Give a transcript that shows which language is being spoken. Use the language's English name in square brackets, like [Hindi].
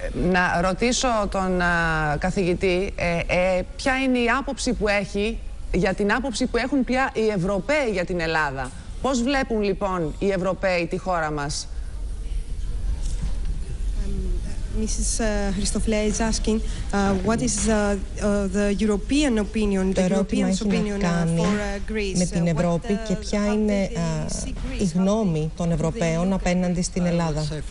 [Greek] Να ρωτήσω τον καθηγητή ποια είναι η άποψη που έχει για την άποψη που έχουν πια οι Ευρωπαίοι για την Ελλάδα. Πώς βλέπουν λοιπόν οι Ευρωπαίοι τη χώρα μας? [English] Mrs. Christofle is asking what is the European opinion, the Europeans' opinion for Greece. [Greek] Με την Ευρώπη και ποια είναι η γνώμη των Ευρωπαίων απέναντι στην Ελλάδα.